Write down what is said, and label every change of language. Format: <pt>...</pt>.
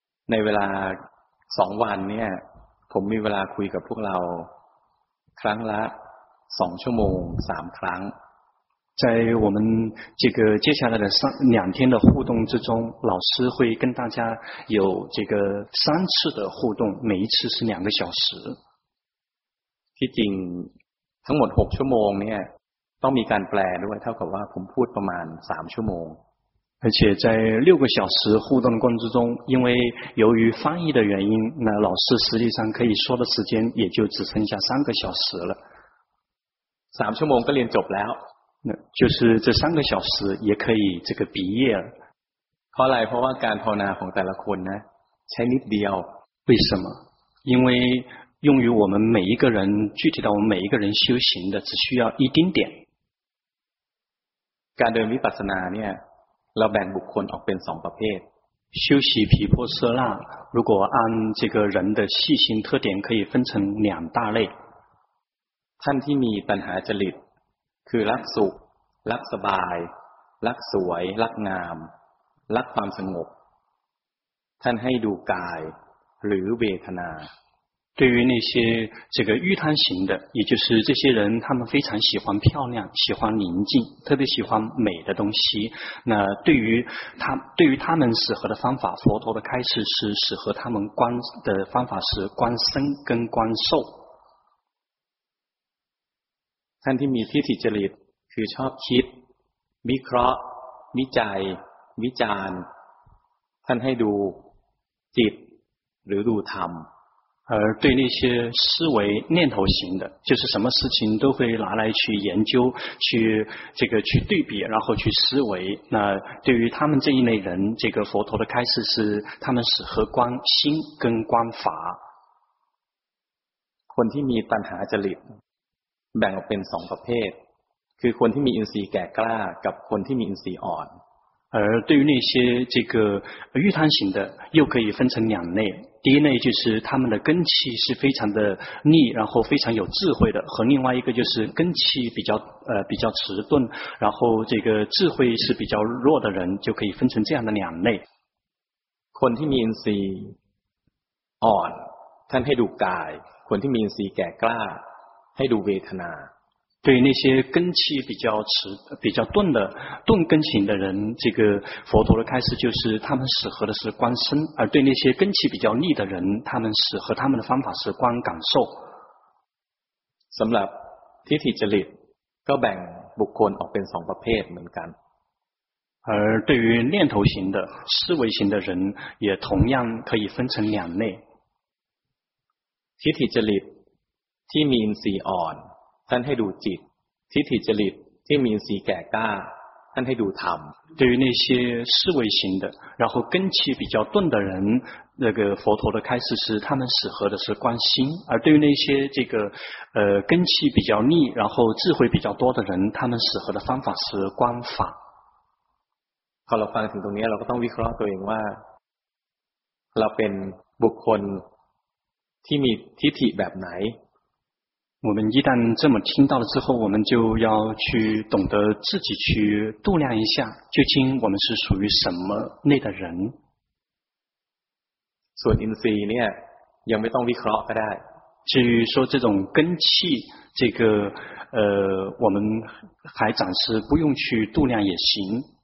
<th>ในเวลา2วันเนี่ยผมมีเวลาคุยกับพวกเราครั้งละ2ชั่วโมง3ครั้ง</th> <zh>在我们这个接下来的两天的互动之中老师会跟大家有这个三次的互动每一次是两个小时</zh> <th>ที่จริงทั้งหมด6ชั่วโมงเนี่ยต้องมีการแปลด้วยเท่ากับว่าผมพูดประมาณ3ชั่วโมง</th> <zh>而且在6个小时互动的过程之中因为由于翻译的原因那老师实际上可以说的时间也就只剩下3个小时了</zh> <th>3ชั่วโมงก็เรียนจบแล้ว</th> <zh>นะ就是这3个小时也可以这个毕业了</zh> <th>เพราะอะไรเพราะว่าการภาวนาของแต่ละคนนะใช้นิดเดียว</th> <zh>为什么因为用于我们每一个人具体到我们每一个人修行的只需要一丁点</zh> <th>การเดินวิปัสสนาเนี่ยเราแบ่งบุคคลออกเป็น2ประเภท</th> <zh>修习毗婆舍那如果按这个人的细心特点可以分成两大类</zh> <th>ท่านที่มีปัญหาจริตคือรักสุขรักสบายรักสวยรักงามรักความสงบท่านให้ดูกายหรือเวทนา</th> <zh>对于那些这个欲贪型的也就是这些人他们非常喜欢漂亮喜欢宁静特别喜欢美的东西那对于他们适合的方法佛陀的开示是适合他们观的方法是观身跟观受</zh> <th>ท่านที่มีทิฏฐิจริตคือชอบคิดวิเคราะห์วิจัยวิจารท่านให้ดูจิตหรือดูธรรม</th> <zh>而对那些思维念头型的就是什么事情都会拿来去研究去这个去对比然后去思维那对于他们这一类人这个佛陀的开示是他们适合观心跟观法</zh> <th>คนที่มีปัญหาจริตแบ่งออกเป็น2ประเภทคือคนที่มีอินทรีย์แก่กล้ากับคนที่มีอินทรีย์อ่อน</th> <zh>而对于那些这个欲贪型的又可以分成两类第一类就是他们的根气是非常的利然后非常有智慧的和另外一个就是根气比较迟钝然后这个智慧是比较弱的人就可以分成这样的两类</zh> <th>คนที่มีอินทรีย์อ่อนท่านให้ดูกายคนที่มีอินทรีย์แก่กล้าให้ดูเวทนา</th> <zh>对那些根气比较钝的钝根型的人这个佛陀的开示就是他们适合的是观身而对那些根气比较利的人他们适合他们的方法是观感受</zh> <th>สำหรับทิฏฐิจริตก็แบ่งบุคคลออกเป็น2ประเภทเหมือนกัน</th> <zh>而对于念头型的思维型的人也同样可以分成两类</zh> <th>ทิฏฐิจริตที่มีอินทรีย์อ่อนท่านให้ดูจิตทิฏฐิจริตที่มีอินทรีย์แก่กล้าท่านให้ดูธรรม</th> <zh>对于那些思维型的然后根气比较钝的人那个佛陀的开示是他们适合的是观心而对于那些这个根气比较利然后智慧比较多的人他们适合的方法是观法</zh> <th>พอเราฟังถึงตรงนี้เราก็ต้องวิเคราะห์ตัวเองว่าเราเป็นบุคคลที่มีทิฏฐิแบบไหน</th> <zh>我们一旦这么听到了之后我们就要去懂得自己去度量一下究竟我们是属于什么类的人所以你们呢有没有动力可能的至于说这种根气这个我们还暂时不用去度量也行</zh>